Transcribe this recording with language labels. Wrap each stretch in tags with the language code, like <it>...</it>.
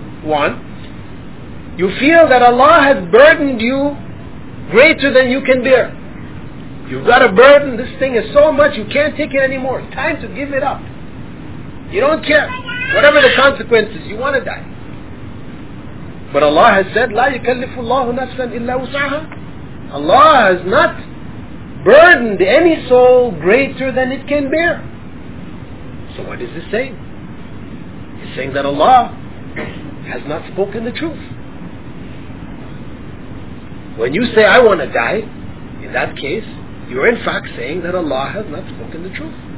<en>One, you feel that Allah has burdened you greater than you can bear. You've got a burden, this thing is so much, you can't take it anymore. It's time to give it up. You don't care. Whatever the consequences, you want to die. But Allah has said,</en> <ar>لا يكلف الله نفسا إلا وسعها.</ar> <en>Allah has not burdened any soul greater than it can bear. So what is this saying? It's saying that Allah has not spoken the truth. When you say, I want to die, in that case, you're in fact saying that Allah has not spoken the truth.</en>